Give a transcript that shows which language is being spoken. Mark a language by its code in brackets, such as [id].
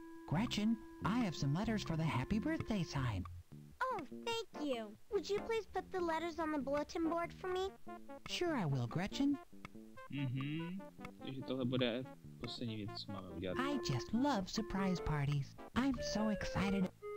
[en] Gretchen, I have some letters for the happy birthday sign. Oh, thank you. Would you please put the letters on the bulletin board for me? Sure I will, Gretchen. [cs] Takže tohle bude poslední věc, co máme udělat. [en] I just love surprise parties. I'm so excited.